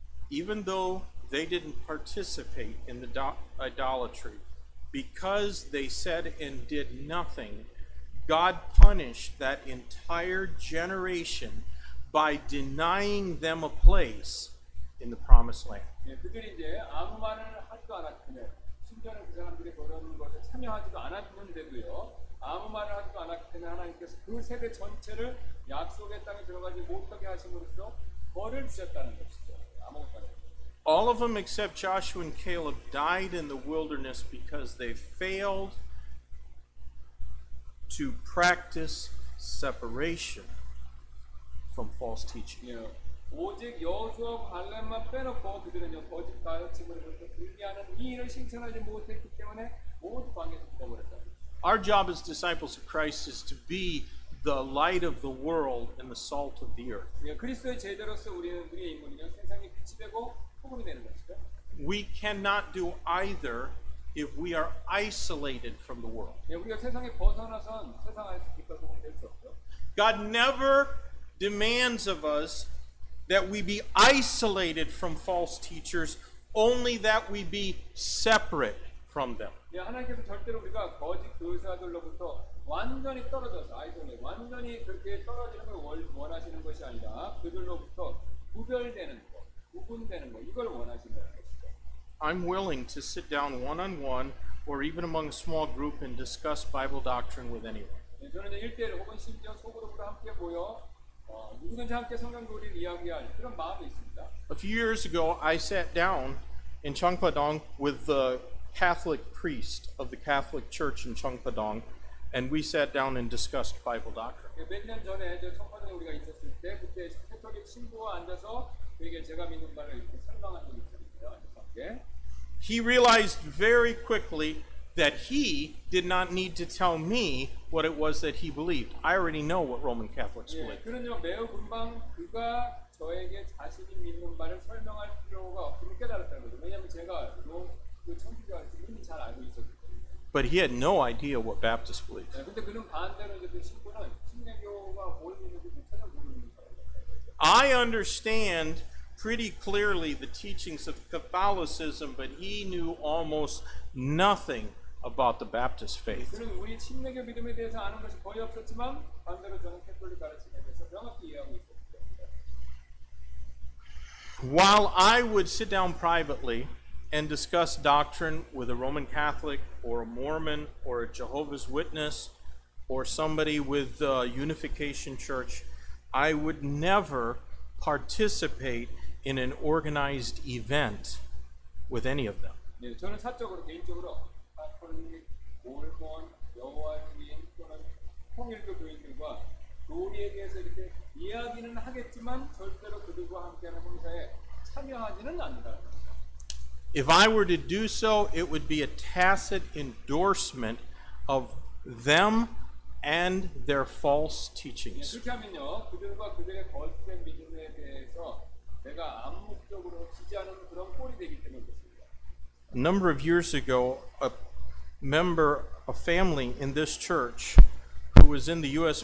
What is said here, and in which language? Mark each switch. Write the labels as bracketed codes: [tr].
[en] Even though they didn't participate in the idolatry, because they said and did nothing, God punished that entire generation by denying them a place in the promised land. [ko] 그들이 이제 아무 말을 하지도 않았기에 심지어는 그 사람들이 그런 것에 참여하지도 않았는데도요. 아무 말을 하지도 않았기 때문에 하나님께서 그 세대 전체를 약속의 땅에 들어가지 못하게 하심으로써 벌을 주셨다는 것이죠. 아무것도 안 했죠. [en] All of them except Joshua and Caleb died in the wilderness because they failed to practice separation from false teaching. [ko] 예, 오직 여호수아 갈렙만 빼놓고 그들은요 거짓 가르침을 의미하는 이인을 신천하지 못했기 때문에 모두 광야에서 죽어버렸다. [en] Our job as disciples of Christ is to be the light of the world and the salt of the earth. [ko] 그리스도의 제자로서 우리는 우리의 임무는요 세상에 빛이 되고 소금이 되는 것이죠. [en] We cannot do either if we are isolated from the world. [ko] 우리가 세상에 벗어나선 세상에서 빛과 소금이 될 수 없죠. [en] God never demands of us that we be isolated from false teachers, only that we be separate from them. [ko] 예, 하나님께서 절대로 우리가 거짓 교사들로부터 완전히 떨어져서 아이들에 완전히 그렇게 떨어지는 걸 원하시는 것이 아니라 그들로부터 구별되는 것, 구분되는 것 이걸 원하신다는 것이죠. [en] I'm willing to sit down one-on-one or even among a small group and discuss Bible doctrine with anyone. [ko] 예, 저는 일대일 혹은 심지어 소그룹으로 함께 모여 누구든지 함께 성경 교리를 이야기할 그런 마음이 있습니다. [en] A few years ago, I sat down in Cheongpa-dong with the Catholic priest of the Catholic Church in Cheongpa-dong, and we sat down and discussed Bible doctrine. [ko] 예, 몇 년 전에 저 청파동에 우리가 있었을 때 그때 캐톨릭 신부와 앉아서 그에게 제가 믿는 바를 이렇게 설명한 적이 있습니다. 함께. [en] He realized very quickly that he did not need to tell me what it was that he believed. I already know what Roman Catholics believe. [ko] 예, 그는요 매우 금방 그가 저에게 자신이 믿는 바를 설명할 필요가 없음을 깨달았다는 거죠. 왜냐하면 제가 그 청교도한테 이미 잘 알고 있었기 때문에. [en] But he had no idea what Baptists believed. [ko] 예, 근데 그는 반대로 그 신부는 침례교가 뭘 믿는지 전혀 모르는 거예요. [en] I understand pretty clearly the teachings of Catholicism, but he knew almost nothing about the Baptist faith. [ko] 그는 우리 침례교 믿음에 대해서 아는 것이 거의 없었지만 반대로 저는 캐톨릭 가르침에 대해서 명확히 이해하고 있었습니다. [en] While I would sit down privately and discuss doctrine with a Roman Catholic or a Mormon or a Jehovah's Witness or somebody with the Unification Church, I would never participate in an organized event with any of them. [ko] 네, 저는 사적으로 개인적으로 카톨릭, 몰몬, 여호와인 또는 통일교 교인들과 교리에 대해서 이렇게 이야기는 하겠지만 절대로 그들과 함께하는 행사에 참여하지는 않는다. [en] If I were to do so, it would be a tacit endorsement of them and their false teachings. [ko] 예, 그렇게 하면요, 그들과 그들의 거짓된 믿음에 대해서 내가 암묵적으로 지지하는 그런 꼴이 되기 때문에 그렇습니다. [en] A number of years ago, a member, a family in this church who was in the U.S.